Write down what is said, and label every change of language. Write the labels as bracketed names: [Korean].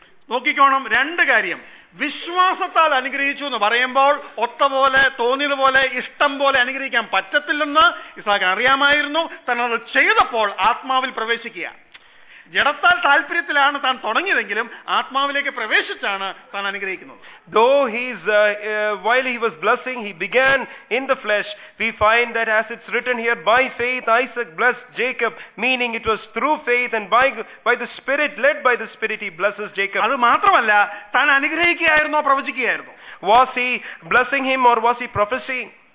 [Malayalam] നോക്കിക്കോണം, രണ്ട് കാര്യം. വിശ്വാസത്താൽ അനുഗ്രഹിച്ചു എന്ന് പറയുമ്പോൾ ഒത്ത പോലെ തോന്നിയതുപോലെ ഇഷ്ടം പോലെ അനുഗ്രഹിക്കാൻ പറ്റത്തില്ലെന്ന് ഇസാക്കിന് അറിയാമായിരുന്നു. തന്നത് ചെയ്തപ്പോൾ ആത്മാവിൽ പ്രവേശിക്കുക. ജഡത്താൽ താല്പര്യത്തിലാണ് താൻ തുടങ്ങിയതെങ്കിലും ആത്മാവിലേക്ക് പ്രവേശിച്ചാണ് താൻ അനുഗ്രഹിക്കുന്നത്. [English] Though while he was blessing, he began in the flesh. We find that as it's written here, by faith Isaac blessed Jacob, meaning it was through faith and by the spirit, led by the spirit, he blesses Jacob. [Malayalam] അത് മാത്രമല്ല, താൻ അനുഗ്രഹിക്കുകയായിരുന്നോ പ്രവചിക്കുകയായിരുന്നോ? [English] Was he blessing him or was he prophesying?